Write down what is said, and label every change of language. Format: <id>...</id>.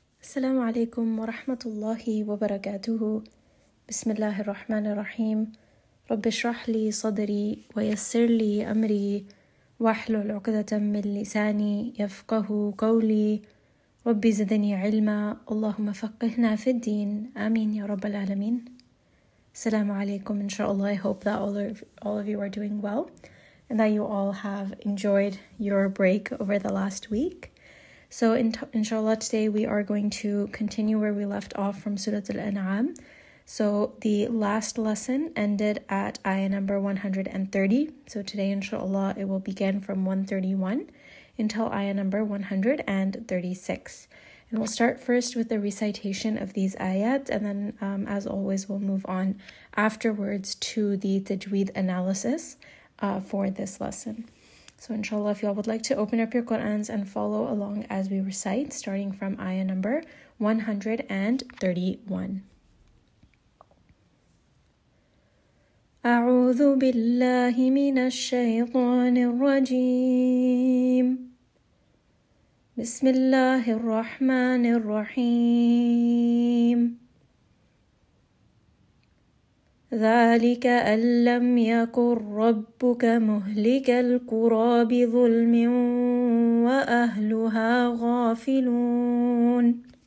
<ar>السلام عليكم ورحمة الله وبركاته. بسم الله الرحمن الرحيم. رب اشرح لي صدري ويسر لي أمري واحلل عقدة من لساني يفقه قولي. ربي زدني علما، اللهم فقهنا في الدين، آمين يا رب العالمين. السلام عليكم. إن شاء الله</ar> <en>I hope that all of you are doing well and that you all have enjoyed your break over the last week. So inshallah today we are going to continue where we left off from Surah Al-An'am. So the last lesson ended at ayah number 130. So today inshallah it will begin from 131 until ayah number 136. And we'll start first with the recitation of these ayat, and then as always we'll move on afterwards to the tajweed analysis for this lesson. So inshallah, if y'all would like to open up your Qur'ans and follow along as we recite, starting from ayah number 131.</en> <ar>أعوذ بالله من الشيطان الرجيم بسم الله الرحمن الرحيم ذلك أن لم يكن ربك مهلك القرى بظلم وأهلها غافلون</ar>